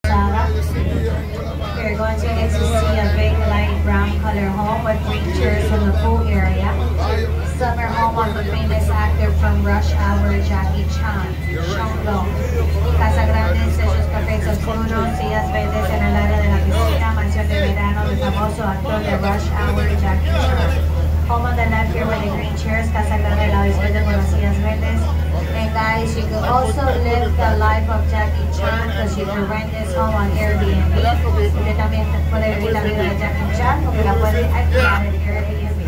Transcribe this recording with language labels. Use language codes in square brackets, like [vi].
[en] you're going to get to see a big light brown color home with pictures in the pool area. Summer home of the famous actor from Rush Hour, Jackie Chan. [es] Casa Grande, sellos cafés oscuros, sillas verdes en el área de la piscina, mansión de verano, el famoso actor de Rush Hour, Jackie Chan. [en] Home of the left here with the green chairs, Casa Grande, [es] la izquierda con las sillas verdes. [en] And guys, you could also live the life of Jackie Chan because you can rent this home on Airbnb. [es] Usted también puede vivir la vida de Jackie Chan porque la puede alquilar en Airbnb.